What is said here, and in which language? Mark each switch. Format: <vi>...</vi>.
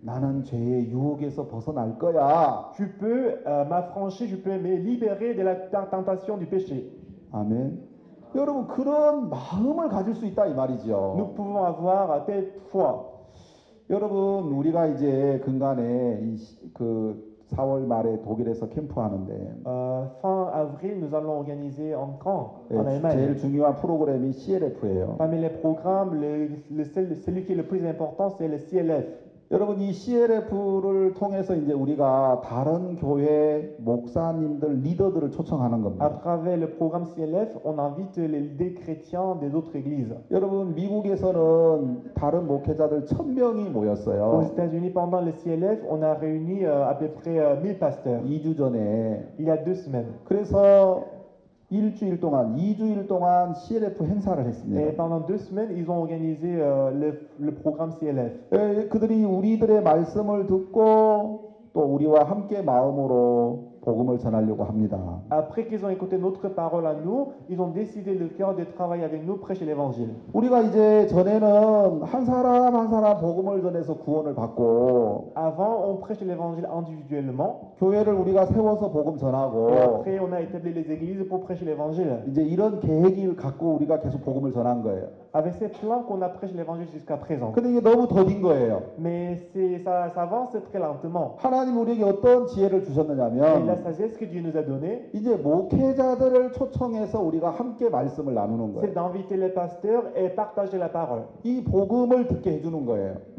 <ko>나는 죄의 유혹에서 벗어날 거야.</ko> <fr>Je peux m'affranchir, je peux me libérer de la tentation du péché.</fr> <ko>아멘. 여러분 그런 마음을 가질 수 있다 이 말이죠.</ko> <fr>Nous pouvons avoir cette foi.</fr> <ko>여러분 우리가 이제 근간에 4월 말에 독일에서 캠프하는데</ko> <fr>fin avril nous allons organiser un camp en Allemagne.</fr> <ko>제일 중요한 프로그램이 CLF예요.</ko> <fr>Parmi les programmes celui qui est le plus important c'est le CLF.</fr> <ko>여러분 이 CLF를 통해서 이제 우리가 다른 교회 목사님들 리더들을 초청하는 겁니다.</ko> <fr>À travers le programme CLF, on invite les leaders chrétiens des autres églises.</fr> <ko>여러분 미국에서는 다른 목회자들 1,000명이 모였어요.</ko> <fr>Aux États-Unis pendant le CLF, on a réuni à peu près 1000 pasteurs.</fr> <ko>2주 전에.</ko> <fr>Il y a deux semaines.</fr> <ko>그래서 일주일 동안 2주일 동안 CLF 행사를 했습니다.</ko> <fr>Et pendant deux semaines, ils ont organisé le programme CLF.</fr> <ko>그들이 우리들의 말씀을 듣고 또 우리와 함께 마음으로 복음을 전하려고 합니다.</ko> <fr>Après qu'ils ont écouté notre parole à nous, ils ont décidé le cœur de travailler avec nous prêcher l'évangile.</fr> <ko>우리가 이제 전에는 한 사람 한 사람 복음을 전해서 구원을 받고</ko> <fr>Avant on prêchait l'évangile individuellement.</fr> <ko>교회를 우리가 세워서 복음 전하고</ko> <fr>Après on a établi les églises pour prêcher l'évangile.</fr> <ko>이제 이런 계획을 갖고 우리가 계속 복음을 전한 거예요.</ko> <fr>Avec ces plans qu'on a prêché l'évangile jusqu'à présent.</fr> <ko>근데 이게 너무 더딘 거예요.</ko> <fr>Mais ça avance très lentement.</fr> <ko>하나님 우리에게 어떤 지혜를 주셨느냐면</ko> <fr>Et la sagesse que Dieu nous a donné,</fr> <ko>이제 목회자들을 초청해서 우리가 함께 말씀을 나누는 거예요.</ko> <fr>C'est d'inviter les pasteurs et partager la parole.</fr> <ko>이 복음을 듣게 해주는 거예요.</ko>